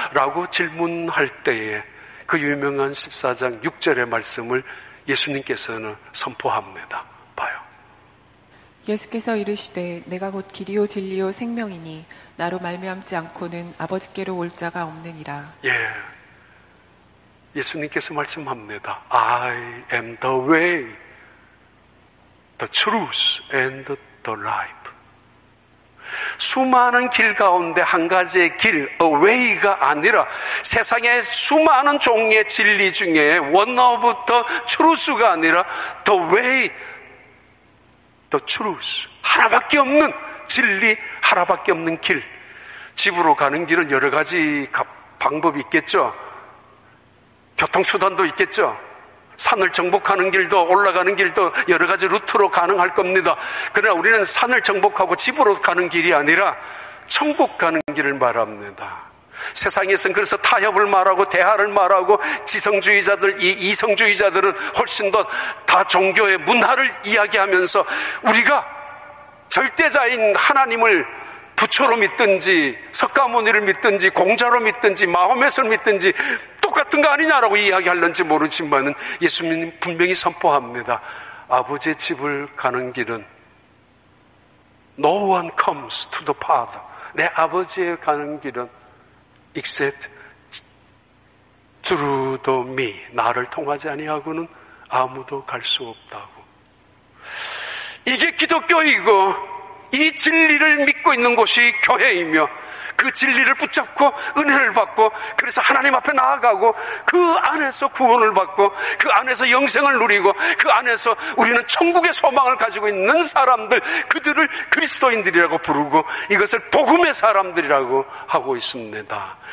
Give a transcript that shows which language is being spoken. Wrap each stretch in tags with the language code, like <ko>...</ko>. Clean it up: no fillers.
<ko>라고 질문할 때에 그 유명한 14장 6절의 말씀을 예수님께서는 선포합니다. 봐요. 예수께서 이르시되 내가 곧 길이요 진리요 생명이니 나로 말미암지 않고는 아버지께로 올 자가 없느니라. 예. 예수님께서 말씀합니다.</ko> <en>I am the way, the truth and the life.</en> <ko>수많은 길 가운데 한 가지의 길, a way가 아니라 세상의 수많은 종의 진리 중에</ko> <en>one of the truth</en> <ko>가 아니라</ko> <en>the way, the truth.</en> <ko>하나밖에 없는 진리, 하나밖에 없는 길. 집으로 가는 길은 여러 가지 방법이 있겠죠. 교통수단도 있겠죠. 산을 정복하는 길도 올라가는 길도 여러 가지 루트로 가능할 겁니다. 그러나 우리는 산을 정복하고 집으로 가는 길이 아니라 천국 가는 길을 말합니다. 세상에서는 그래서 타협을 말하고 대화를 말하고 지성주의자들, 이성주의자들은 훨씬 더 다 종교의 문화를 이야기하면서 우리가 절대자인 하나님을 부처로 믿든지 석가모니를 믿든지 공자로 믿든지 마호메트를 믿든지 똑같은 거 아니냐라고 이야기하는지 모르지만 예수님 분명히 선포합니다. 아버지의 집을 가는 길은</ko> <en>No one comes to the Father.</en> <ko>내 아버지의 가는 길은</ko> <en>except through the me.</en> <ko>나를 통하지 아니하고는 아무도 갈 수 없다고. 이게 기독교이고 이 진리를 믿고 있는 곳이 교회이며 그 진리를 붙잡고 은혜를 받고 그래서 하나님 앞에 나아가고 그 안에서 구원을 받고 그 안에서 영생을 누리고 그 안에서 우리는 천국의 소망을 가지고 있는 사람들 그들을 그리스도인들이라고 부르고 이것을 복음의 사람들이라고 하고 있습니다.</ko>